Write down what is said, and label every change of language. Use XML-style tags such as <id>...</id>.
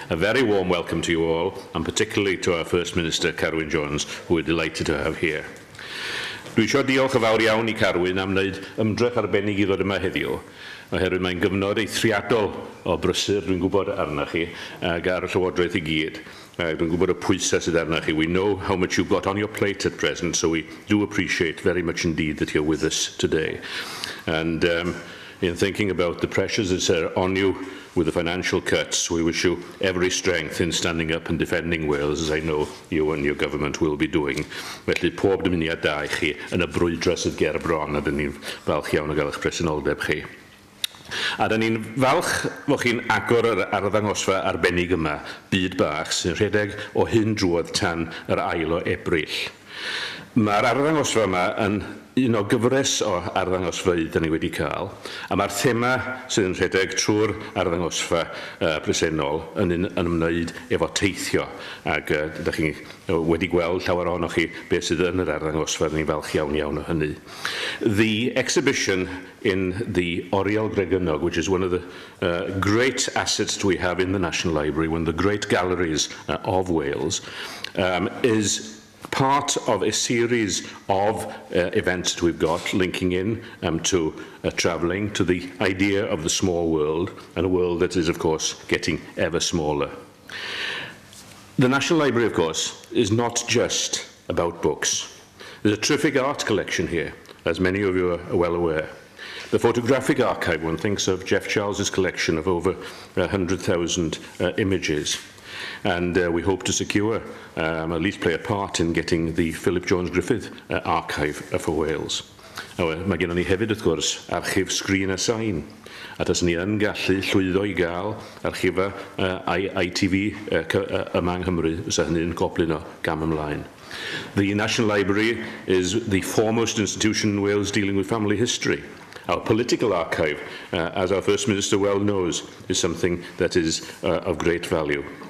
<en>A very warm welcome to you all and particularly to our First Minister Carwyn Jones who we're delighted to have here.</en> <cy>Dwi eisiau diolch yn fawr iawn i Carwyn am wneud ymdrech arbennig i ddod yma heddiw oherwydd mae'n gyfnod eithriadol o brysur dwi'n gwybod arna chi ag ar y Llywodraeth i gyd. Dwi'n gwybod y pwysau sydd arna chi.</cy> <en>We know how much you've got on your plate at present, so we do appreciate very much indeed that you're with us today. And in thinking about the pressures that are on you with the financial cuts, we wish you every strength in standing up and defending Wales, as I know you and your government will be doing.</en> <cy>Felly, pob dymuniad da i chi yn y brwydra sydd ger bron, a dyn ni'n falch iawn o gael eich presenoldeb chi. A dyn ni'n falch fod chi'n agor yr arddangosfa arbennig yma, byd bach, sy'n rhedeg o hyn drwodd tan yr ail o Ebrill. Mae'r arddangosfa yma yn un o gyfres o arddangosfau dyn ni wedi cael, a mae'r thema sy'n rhedeg trwy'r arddangosfa presennol yn un ymwneud efo teithio, ac da chi wedi gweld llawer ohonoch chi beth sydd yn yr arddangosfa, dyn ni'n falch iawn iawn o hynny.</cy> <en>The exhibition in the Oriel Gregynog, which is one of the great assets we have in the National Library, one of the great galleries of Wales, is part of a series of events that we've got linking in to travelling, to the idea of the small world, and a world that is, of course, getting ever smaller. The National Library, of course, is not just about books. There's a terrific art collection here, as many of you are well aware. The photographic archive, one thinks of Jeff Charles's collection of over 100,000 images. And we hope to secure, at least play a part in getting the Philip Jones Griffith archive for Wales.</en> <cy>Mae gennym ni hefyd, wrth gwrs, archif sgrin a sain. A tas ni yn gallu llwyddo i gael archifau ITV yma yng Nghymru, sef hynny'n goblin o gam ymlaen.</cy> <en>The National Library is the foremost institution in Wales dealing with family history. Our political archive, as our First Minister well knows, is something that is of great value.</en>